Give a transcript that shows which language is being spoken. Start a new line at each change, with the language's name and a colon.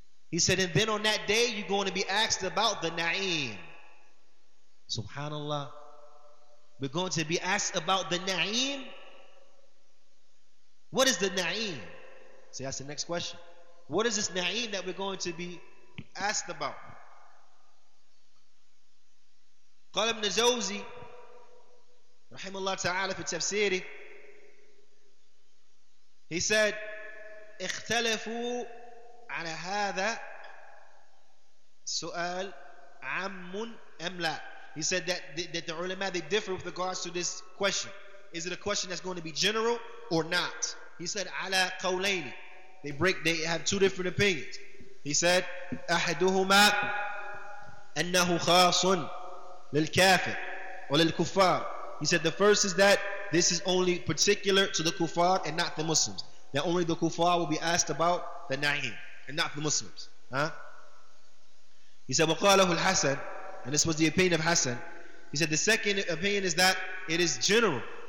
English: He said, and then on that day, you're going to be asked about the na'im. Subhanallah. We're going to be asked about the na'im. What is the na'im? See, that's the next question. What is this na'im that we're going to be asked about?
Arabic: قال ابن جوزي رحمه الله تعالى في تفسيره.
English: He said,
Arabic: اختلفوا على هذا سؤال عام أم لا.
English: He said that the ulama, they differ with regards to this question. Is it a question that's going to be general or not? He said,
Arabic: على قولين.
English: They have two different opinions. He said,
Arabic: أحدهما أنه خاص للكافر وللكفار.
English: He said, the first is that this is only particular to the kuffar and not the Muslims. That only the kuffar will be asked about the na'im and not the Muslims. Huh? He said,
Arabic: وَقَالَهُ الْحَسَنِ.
English: And this was the opinion of Hassan. He said, the second opinion is that it is general.